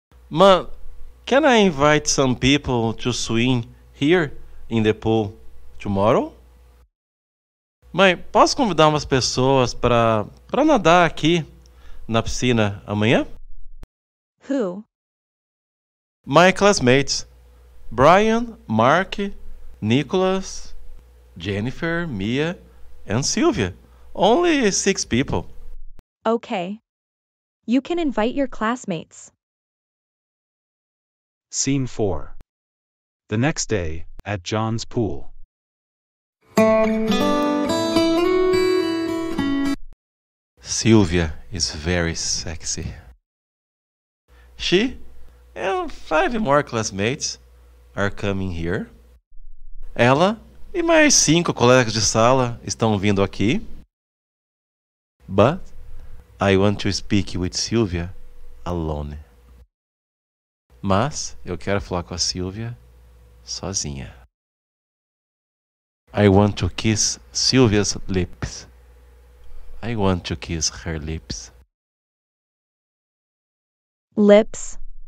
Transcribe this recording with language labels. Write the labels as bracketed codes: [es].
[en] Mom, can I invite some people to swim here in the pool tomorrow? [pt] Mãe, posso convidar umas pessoas para nadar aqui na piscina amanhã? [en] Who? My classmates. Brian, Mark, Nicholas, Jennifer, Mia, and Sylvia. Only 6 people. Okay. You can invite your classmates. Scene 4. The next day, at John's pool. Sylvia is very sexy. She and 5 more classmates are coming here. [pt] Ela e mais 5 colegas de sala estão vindo aqui. [en] But I want to speak with Sylvia alone. [pt] Mas eu quero falar com a Sylvia sozinha. [en] I want to kiss Sylvia's lips. I want to kiss her lips. Lips.